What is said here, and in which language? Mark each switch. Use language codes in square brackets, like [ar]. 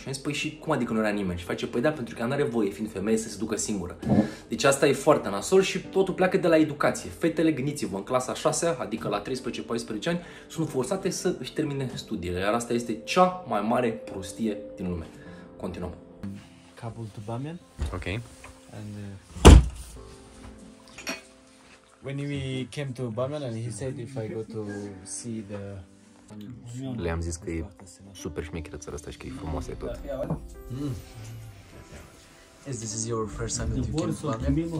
[ro] Și am zis, păi, și cum adică nu era nimeni? Și face, păi da, pentru că ea nu are voie, fiind femeie, să se ducă singură. Deci asta e foarte nasol și totul pleacă de la educație. Fetele, gândiți-vă, în clasa 6-a, adică la 13-14 ani, sunt forțate să își termine studiile. Iar asta este cea mai mare prostie din lume. Continuăm. [en] Kabul to Bamian. Ok. And, when we came to Bamian and he said if I go to see the... [ro] Le-am zis că e super șmecheră țara asta și că e frumoasă tot. [en] Is this your first time that you came to Bamian?